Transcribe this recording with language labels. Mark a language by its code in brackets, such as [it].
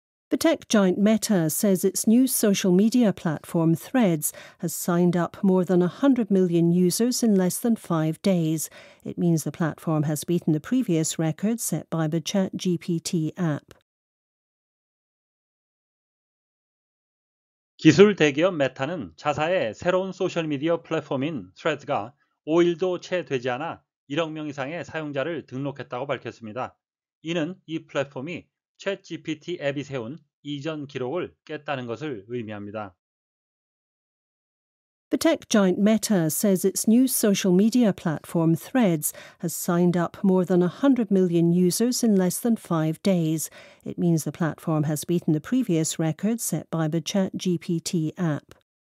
[en] The tech giant Meta says its new social media platform Threads has signed up more than 100 million users in less than 5 days. It means the platform has beaten the previous record set by the ChatGPT app. [ko] 기술 대기업 메타는 자사의 새로운 소셜 미디어 플랫폼인 Threads가 5일도 채 되지 않아 1억 명 이상의 사용자를 등록했다고 밝혔습니다. 이는 이 플랫폼이 ChatGPT 앱이 세운 이전 기록을 깼다는 것을 의미합니다. [en] The tech giant Meta says its new social media platform Threads has signed up more than 100 million users in less than 5 days. It means the platform has beaten the previous record set by the ChatGPT app.